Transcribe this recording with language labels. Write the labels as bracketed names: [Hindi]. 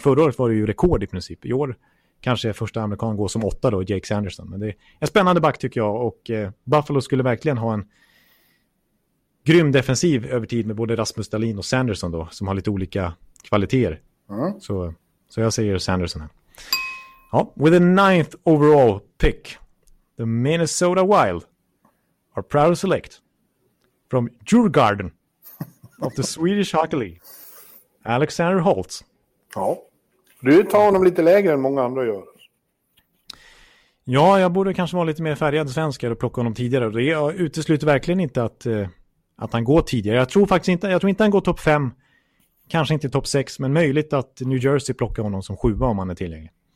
[Swedish] Förra året var det ju rekord i princip. I år kanske första amerikanen går som åtta då, Jake Sanderson. Men det är en spännande back tycker jag. Och Buffalo skulle verkligen ha en grym defensiv över tid med både Rasmus Dahlin och Sanderson då, som har lite olika kvaliteter. Så jag säger Sanderson här. [English] Ja, with a 9th overall pick, the Minnesota Wild are proud to select from Djurgården of the Swedish Hockey League, Alexander Holtz. [Swedish] Ja, du tar honom lite lägre än många andra gör. Ja, jag borde kanske vara lite mer färgad svenskar och plocka honom tidigare. Det är utesluter verkligen inte att han går tidigare. Jag tror inte han går topp 5, kanske inte topp 6, men möjligt att New Jersey plockar honom som 7 om han är tillgänglig.